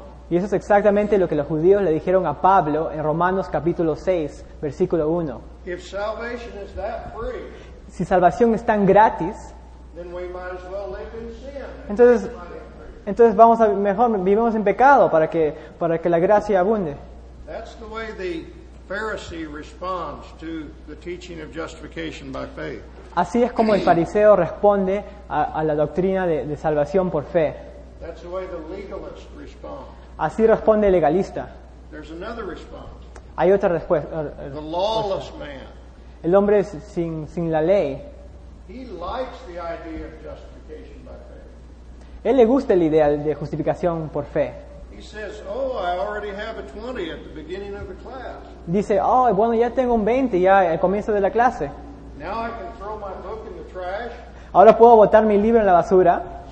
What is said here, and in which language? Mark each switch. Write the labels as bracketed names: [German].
[Spanish] Y eso es exactamente lo que los judíos le dijeron a Pablo en Romanos capítulo 6, versículo 1. [English] If salvation is that free, [Spanish] si salvación es tan gratis, [English] then we might as well live in sin. [Spanish] Entonces vamos a mejor vivimos en pecado para que la gracia abunde. [English] That's the way the Pharisee responds to the teaching of justification by faith. [Spanish] Así es como el fariseo responde a la doctrina de salvación por fe. [English] That's the way the legalist responds. [Spanish] Así responde el legalista. [English] There's another response. [Spanish] Hay otra respuesta. [English] The lawless man. [Spanish] El hombre sin la ley. [English] He likes the idea of justification by faith. [Spanish] Él le gusta la idea de justificación por fe. [English] He says, oh, I already have a 20 at the beginning of the class. [Spanish] Dice, oh, bueno, ya tengo un 20 ya al comienzo de la clase. [English] Now I can throw my book in the trash. [Spanish] Ahora puedo botar mi libro en la basura.